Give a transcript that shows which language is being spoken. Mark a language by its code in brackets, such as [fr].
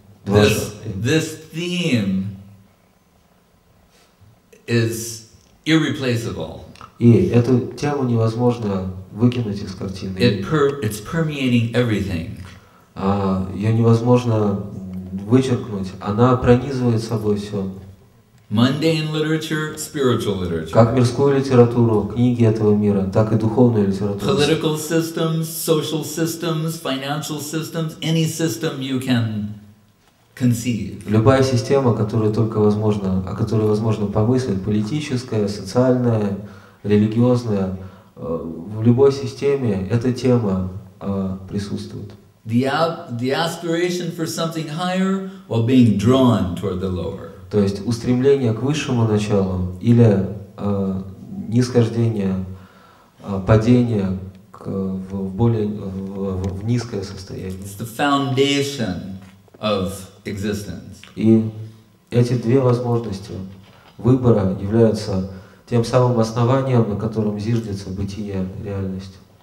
[en] This theme is irreplaceable. [ru] И эту тему невозможно выкинуть из картины. [en] It's permeating everything. [ru] Ее невозможно вычеркнуть. Она пронизывает собой все. [en] Mundane literature, spiritual literature. [ru] Как мирскую литературу, книги этого мира, так и духовную литературу. [en] Political systems, social systems, financial systems, any system you can conceive. [ru] Любая система, которую только возможно, о которой возможно помыслить, политическая, социальная, религиозная, в любой системе эта тема присутствует. [en] The aspiration for something higher while being drawn toward the lower. [ru] То есть устремление к высшему началу или нисхождение, падение в низкое состояние. [en] It's the foundation of existence. [ru] И эти две возможности выбора являются тем самым основанием, на котором зиждется бытие, реальность.